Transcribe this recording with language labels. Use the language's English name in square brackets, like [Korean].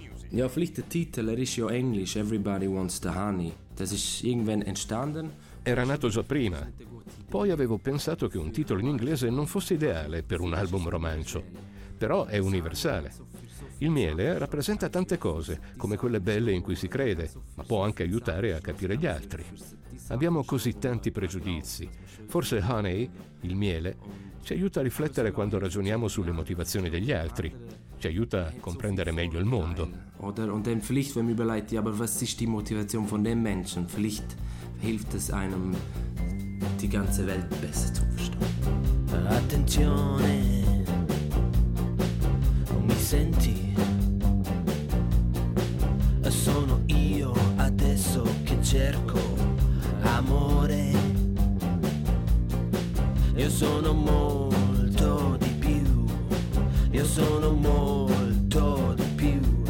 [German] Der Auflicht Titel ist ja Englisch, Everybody Wants the Honey. Das ist irgendwann entstanden. [Italian] Era nato già prima. Poi avevo pensato che un titolo in inglese non fosse ideale per un album romancio. Però è universale. Il miele rappresenta tante cose, come quelle belle in cui si crede, ma può anche aiutare a capire gli altri. Abbiamo così tanti pregiudizi. Forse Honey, il miele, ci aiuta a riflettere quando ragioniamo sulle motivazioni degli altri. Ci aiuta a comprendere meglio il mondo. [German] Oder und dann vielleicht, wenn man überlegt, ja, aber was ist die Motivation von dem Menschen? Vielleicht hilft es einem, die ganze Welt besser zu verstehen. [Italian] Attenzione, non mi senti? Sono io adesso che cerco amore. Io sono molto di più. Io sono molto di più.